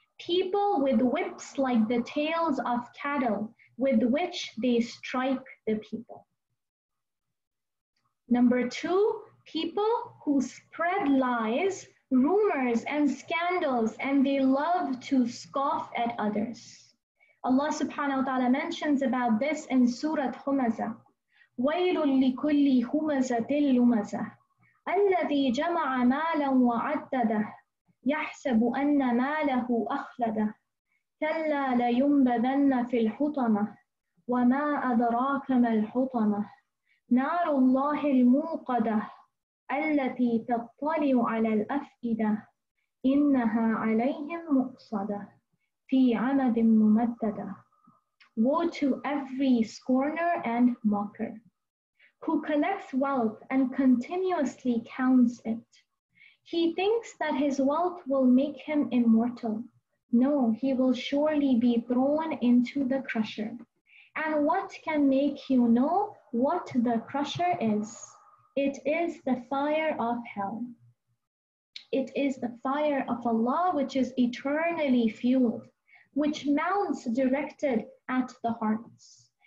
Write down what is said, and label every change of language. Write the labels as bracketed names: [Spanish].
[English] People with whips like the tails of cattle with which they strike the people. Number two, people who spread lies, rumors, and scandals, and they love to scoff at others. Allah subhanahu wa ta'ala mentions about this in Surah Humazah. [Arabic] وَيْلٌ لِكُلِّ هُمَزَةٍ لُمَزَةٍ الَّذِي جَمَعَ مَالًا وَعَدَّدَهُ يَحْسَبُ أَنَّ مَالَهُ أَخْلَدَهُ كَلَّا لَيُنْبَذَنَّ فِي الْحُطَمَةِ وَمَا أَدْرَاكَ مَا الْحُطَمَةِ نَارُ اللَّهِ الْمُوقَدَةِ الَّتِي تَطَّلِعُ عَلَى الْأَفْئِدَةِ إِنَّهَا عَلَيْهِمْ مُؤْصَدَةِ فِي عَمَدٍ مُمَدَّدَةِ [English] Woe to every scorner and mocker who collects wealth and continuously counts it. He thinks that his wealth will make him immortal, No, he will surely be thrown into the crusher. And what can make you know what the crusher is? It is the fire of hell. It is the fire of Allah, which is eternally fueled, which mounts directed at the hearts.